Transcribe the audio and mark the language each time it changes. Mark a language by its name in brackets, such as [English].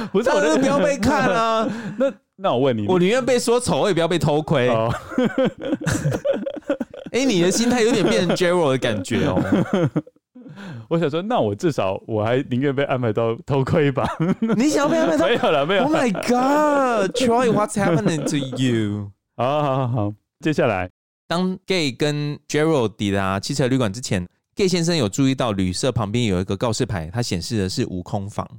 [Chinese] 不是，我就是不要被看啊。那我问你，我宁愿被说丑，我也不要被偷窥。哦欸，你的心态有点变成 Gerald 的感觉哦。我想说，那我至少我还宁愿被安排到偷窥吧。你想要被安排到？没有了，没有。 [English] Oh my God, Troy, what's happening to you? [Chinese] 好好好，接下来，当 Gay 跟 Gerald 抵达汽车旅馆之前 ，Gay 先生有注意到旅社旁边有一个告示牌，它显示的是无空房，